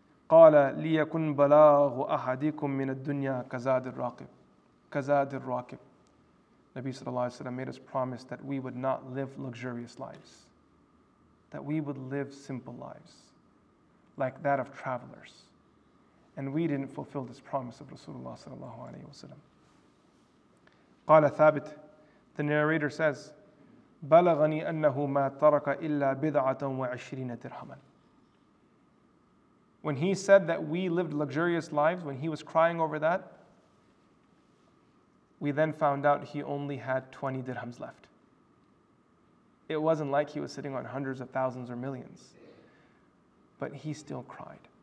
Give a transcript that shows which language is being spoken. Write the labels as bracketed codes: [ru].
[ar] قَالَ لِيَكُنْ بَلَاغُ أَحَدِكُمْ مِنَ الدُّنْيَا كَزَادِ الرَّاقِبِ كَزَادِ الرَّاقِبِ. [en] Nabi sallallahu alayhi wa sallam made us promise that we would not live luxurious lives, that we would live simple lives, like that of travelers. And we didn't fulfill this promise of Rasulullah sallallahu alayhi wa sallam. [ar] Qala Thabit, the narrator says, بَلَغَنِي أَنَّهُ مَا تَرَكَ إِلَّا بِذَعَةً وَعِشْرِينَ دِرْحَمًا. [en] When he said that we lived luxurious lives, when he was crying over that, we then found out he only had 20 dirhams left. It wasn't like he was sitting on hundreds of thousands or millions. But he still cried.